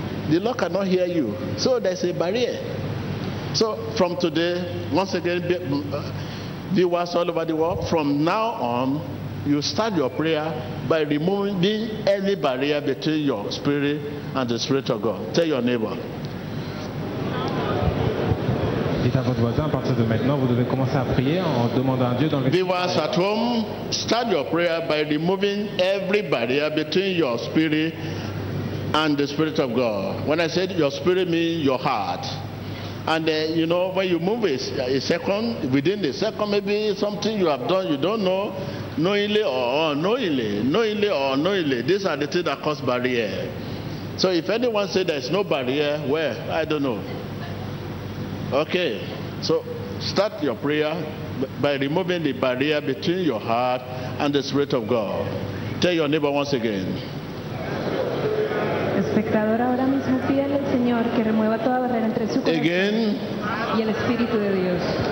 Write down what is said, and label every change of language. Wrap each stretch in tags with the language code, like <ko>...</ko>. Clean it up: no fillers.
<en>The Lord cannot hear you. So there is a barrier. So from today, once again, viewers all over the world, from now on, you start your prayer by removing any barrier between your spirit and the spirit of God. Tell your neighbor.</en> <fr>Dites à votre voisin, à partir de maintenant, vous devez commencer à prier en demandant à Dieu dans le.</fr> <en>Viewers at home, start your prayer by removing every barrier between your spirit and the spirit of God. When I said your spirit, means your heart. And you know, when you move a second, within a second, maybe something you have done, you don't know, knowingly or unknowingly, these are the things that cause barrier. So if anyone say there is no barrier, where? I don't know. Okay, so start your prayer by removing the barrier between your heart and the spirit of God. Tell your neighbor once again.</en> <es>Espectador ahora mismo pide al Señor que remueva toda barrera entre su corazón y el Espíritu de Dios.</es>